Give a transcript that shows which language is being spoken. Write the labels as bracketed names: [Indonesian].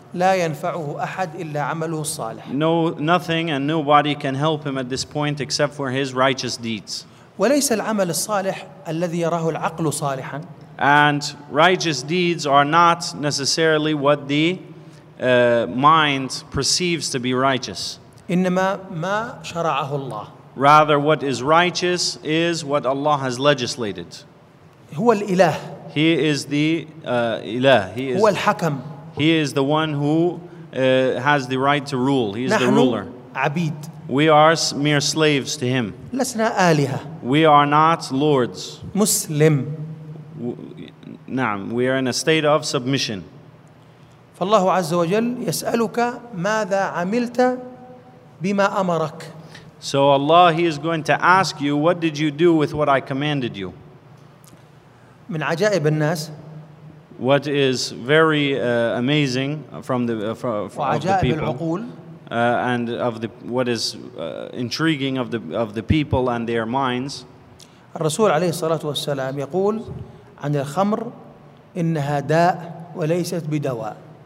[Arabic] لا ينفعه أحد إلا عمله الصالح. [English] No, nothing and nobody can help him at this point except for his righteous deeds. [Arabic] وليس العمل الصالح الذي يراه العقل صالحا. [English] and righteous deeds are not necessarily what the mind perceives to be righteous. [Arabic] إنما ما شرعه الله. [English] Rather, what is righteous is what Allah has legislated. [Arabic] هو الإله. [English] He is the إله. He is [Arabic] هو الحكم. [English] He is the one who has the right to rule. He is [Arabic] نحن [English] the ruler. [Arabic] عبيد. [English] We are mere slaves to him. [Arabic] لسنا آلهة. [English] We are not lords. [Arabic] مسلم. نعم. [English] We are in a state of submission. [Arabic] فالله عز وجل يسألك ماذا عملت بما أمرك. [English] So Allah, He is going to ask you, what did you do with what I commanded you? [Arabic] من عجائب الناس. [English] What is very amazing from the [Arabic] وعجائب [English] of the people. [Arabic] العقول. [English] And of the what is intriguing of the people and their minds. [Arabic] الرسول عليه الصلاة والسلام يقول عن الخمر إنها داء وليست بدواء.